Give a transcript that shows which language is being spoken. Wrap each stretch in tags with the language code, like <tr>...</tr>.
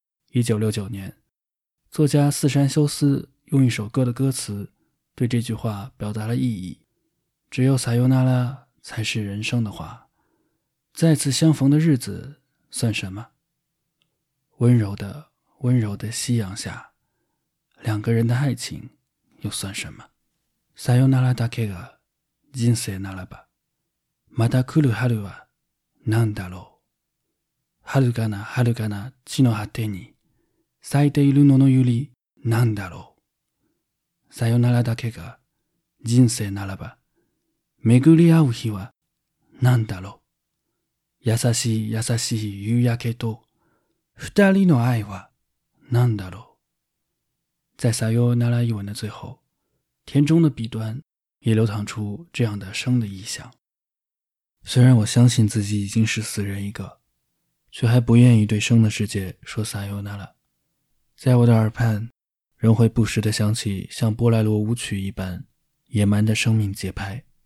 <zh>1969年作家四山修斯用一首歌的歌词对这句话表达了意义，只有さようなら才是人生的话，再次相逢的日子算什么。温柔的温柔的夕阳下，两个人的爱情又算什么。</zh> <ja>さようならだけが人生ならば、また来る春は何だろう。遥かな遥かな地の果てに咲いているののゆり、なんだろう。さよならだけが、人生ならば、巡り合う日は、なんだろう。優しい優しい夕焼けと、二人の愛は、なんだろう。</ja> <zh>在さよなら一文的最后，田中的笔端也流淌出这样的生的意象。虽然我相信自己已经是死人一个，却还不愿意对生的世界说さよなら。在我的耳畔仍会不时地响起像波莱罗舞曲一般野蛮的生命节拍。</zh>